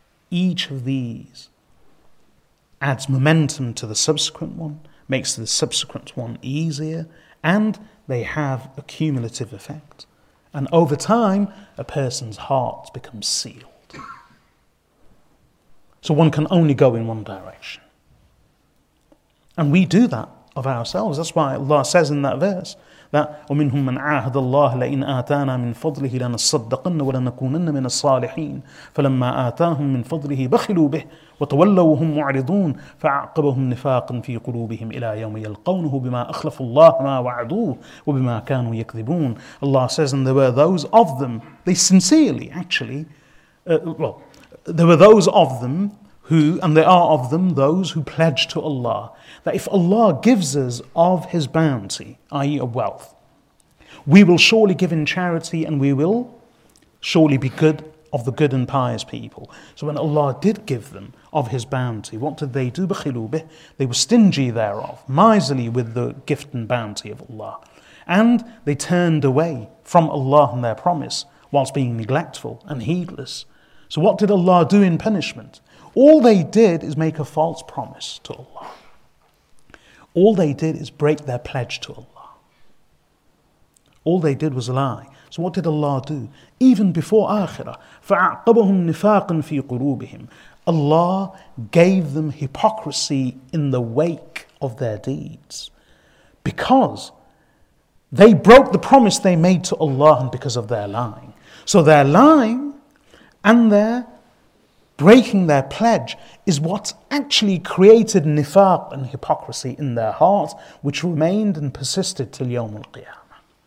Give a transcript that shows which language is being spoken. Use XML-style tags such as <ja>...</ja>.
<en>Each of these adds momentum to the subsequent one, makes the subsequent one easier, and they have a cumulative effect. And over time, a person's heart becomes sealed. So one can only go in one direction. And we do that of ourselves. That's why Allah says in that verse that</en> <ar>وَمِنْهُمْ مَنْ عَاهَدَ اللَّهَ لَإِنْ آتَانَا مِنْ فَضْلِهِ لَنَصَّدَّقَنَّ وَلَنَكُونَنَّ مِنَ الصَّالِحِينَ فَلَمَّا آتَاهُمْ مِنْ فَضْلِهِ بَخِلُوا بِهِ وَتَوَلَّوهُمْ مُعْرِضُونَ فَعَقَبَهُمْ نِفَاقًا فِي قُلُوبِهِمْ إِلَى يَوْمِ يَلْقَوْنَهُ بِمَا أَخْلَفُ اللَّهَ مَا وَعَدُوهُ وَبِمَا كَانُوا يَكْذِبُونَ.</ar> <en>Allah says, and there were those of them, they sincerely actually, there were those of them who, and they are of them, those who pledge to Allah, that if Allah gives us of His bounty, i.e. of wealth, we will surely give in charity and we will surely be good of the good and pious people. So when Allah did give them of His bounty, what did they do?</en> <ar>بَخِلُوا بِهِ.</ar> <en>They were stingy thereof, miserly with the gift and bounty of Allah. And they turned away from Allah and their promise whilst being neglectful and heedless. So what did Allah do in punishment? All they did is make a false promise to Allah. All they did is break their pledge to Allah. All they did was lie. So what did Allah do? Even before Akhirah,</en> <ar>فَعَقَبَهُمْ نِفَاقًا فِي قُلُوبِهِمْ.</ar> <en>Allah gave them hypocrisy in the wake of their deeds because they broke the promise they made to Allah because of their lying. So their lying and their breaking their pledge is what actually created nifaq and hypocrisy in their hearts, which remained and persisted till Yawm al-Qiyamah.</en>